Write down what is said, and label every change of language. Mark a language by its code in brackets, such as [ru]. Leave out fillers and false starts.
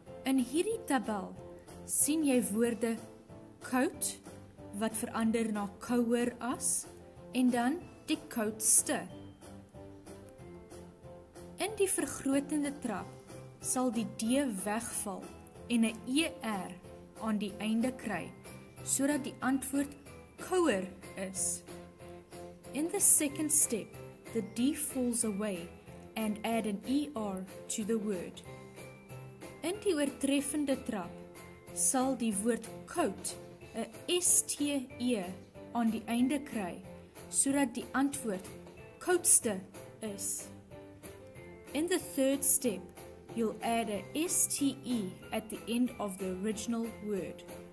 [af] In hierdie tabel sien jy woorde koud wat verander na kouer as en dan die koudste. In die vergrotende trap sal die D wegval en 'n ER aan die einde kry, sodat die antwoord kouer is. [en] In the second step, the D falls away and add an ER to the word. [af] In die oortreffende trap sal die woord koud 'n STE aan die einde kry, sodat die antwoord koudste is. [en] In the third step, you'll add a STE at the end of the original word.